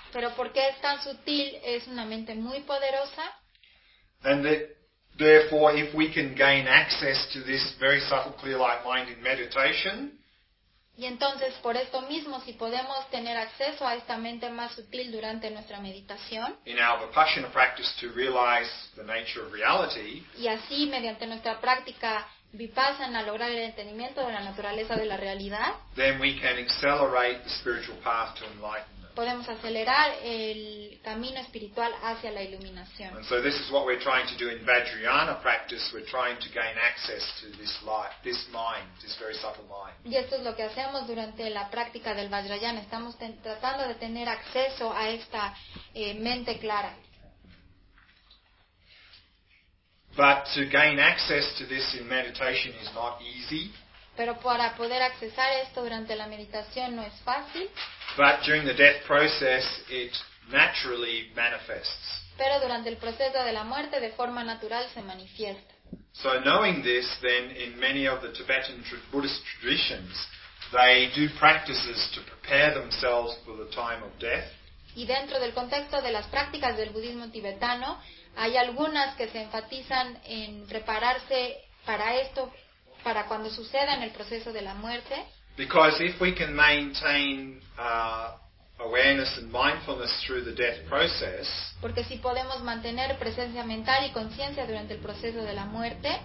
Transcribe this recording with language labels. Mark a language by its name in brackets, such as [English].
[Spanish] Pero porque es tan sutil es una mente muy poderosa. [English] And that, therefore, if we can gain access to this very subtle clear light mind in meditation, [Spanish] y entonces por esto mismo, si podemos tener acceso a esta mente más sutil durante nuestra meditación, [English] in our Vipassana practice to realize the nature of reality, [Spanish] y así mediante nuestra práctica Vipassana, lograr el entendimiento de la naturaleza de la realidad. [English] Then we can accelerate the spiritual path to enlightenment. [Spanish] Podemos acelerar el camino espiritual hacia la iluminación. [English] And so this is what we're trying to do in Vajrayana practice. We're trying to gain access to this light, this mind, this very subtle mind. [Spanish] Y esto es lo que hacemos durante la práctica del Vajrayana. Estamos tratando de tener acceso a esta mente clara. [English] But to gain access to this in meditation is not easy. [Spanish] Pero para poder accesar esto durante la meditación no es fácil. [English] But during the death process, it naturally manifests. [Spanish] Pero durante el proceso de la muerte, de forma natural se manifiesta. [English] So knowing this, then in many of the Tibetan Buddhist traditions, they do practices to prepare themselves for the time of death. [Spanish] Y dentro del contexto de las prácticas del budismo tibetano, hay algunas que se enfatizan en prepararse para esto, para cuando suceda en el proceso de la muerte. [English] Because if we can maintain awareness and mindfulness through the death process, [Spanish] porque si podemos mantener presencia mental y conciencia durante el proceso de la muerte,